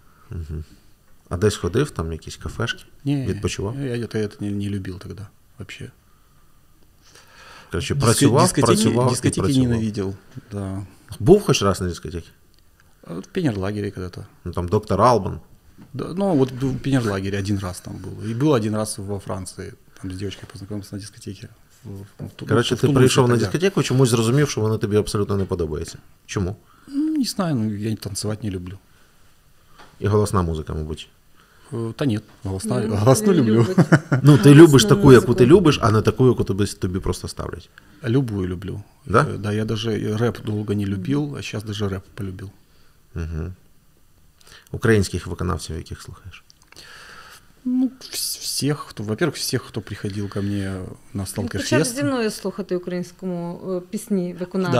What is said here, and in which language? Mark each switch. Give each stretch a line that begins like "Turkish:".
Ukrainian: Угу. А десь ходив, там якісь кафешки? Ні, відпочивав? Я не любив тоді, взагалі. Короче, працював. Дискотеки ненавидів, да. Був хоч раз на дискотеки? В піонерлагері
Russian: когда-то. Ну, там доктор Албан. Да, ну, вот в пионерлагере один раз там был. И был один раз во Франции. Там с девочкой познакомился на дискотеке. Короче, ты пришел на дискотеку,
Ukrainian: чомусь зрозумів,
Russian: что она тебе абсолютно
Ukrainian: не подобається. Чому?
Russian: Ну, не знаю, ну, я танцевать не люблю. И голосна музыка,
Ukrainian: мабуть.
Russian: Та нет, голосну люблю. Ну, ты любишь такую,
Ukrainian: яку ты любишь,
Russian: а не такую,
Ukrainian: яку тобі просто ставлять.
Russian: Любую люблю. Да? Да, я даже рэп долго не любил, а сейчас даже рэп полюбил. Угу.
Ukrainian: Українських виконавців, яких слухаєш? Ну, всіх, хто, во-первых, всіх, хто приходив ко мені на сталкер-фест. Почав зі мною слухати українському пісні виконавців.